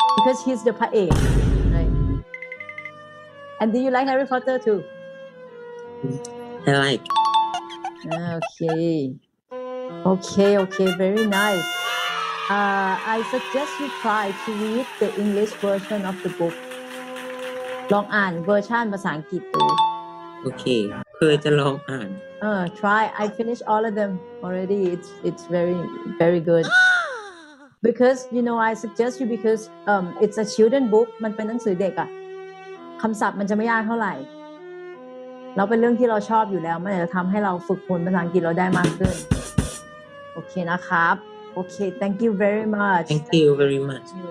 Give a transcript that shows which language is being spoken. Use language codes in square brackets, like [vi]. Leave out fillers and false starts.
[en] Because he's the part A, right? And do you like Harry Potter too? I like. Okay, very nice. I suggest you try to read the English version of the book. [th] ลองอ่านเวอร์ชันภาษาอังกฤษดู Okay, เคยจะลองอ่าน [en] Try, I finished all of them already. It's very, very good. Because, you know, I suggest you because it's a children book. [th] มันเป็นหนังสือเด็กอ่ะคำศัพท์มันจะไม่ยากเท่าไหร่เราเป็นเรื่องที่เราชอบอยู่แล้วมันจะทำให้เราฝึกฝนภาษาอังกฤษเราได้มากขึ้นโอเคนะครับโอเค [en] thank you very much thank you very much